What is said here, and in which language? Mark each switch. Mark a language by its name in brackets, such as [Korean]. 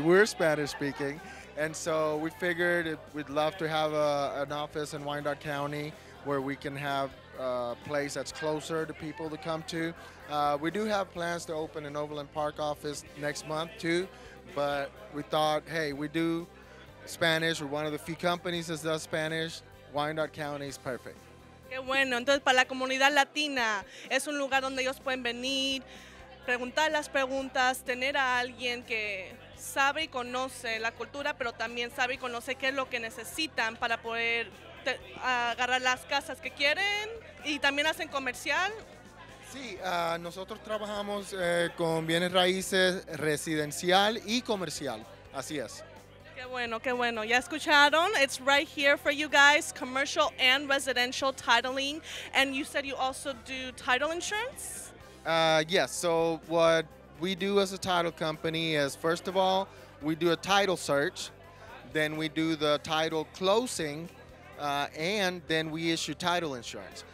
[English] We're Spanish-speaking. And so we figured we'd love to have an office in Wyandotte County where we can have a place that's closer to people to come to. We do have plans to open an Overland Park office next month too, but we thought, hey, we do Spanish. We're one of the few companies that does Spanish. Wyandotte County is perfect. [Spanish] Qué bueno. Entonces, para la comunidad latina, es un lugar donde ellos pueden venir, preguntar las preguntas, tener a alguien que sabe y conoce la cultura, pero también sabe y conoce qué es lo que necesitan para poder agarrar las casas que quieren y también hacen comercial. Sí, nosotros trabajamos con bienes raíces residencial y comercial, así es. Qué bueno, qué bueno. Ya escucharon, [English] it's right here for you guys, commercial and residential titling. And you said you also do title insurance? Yes, so what we do as a title company is, first of all, we do a title search, then we do the title closing, and then we issue title insurance.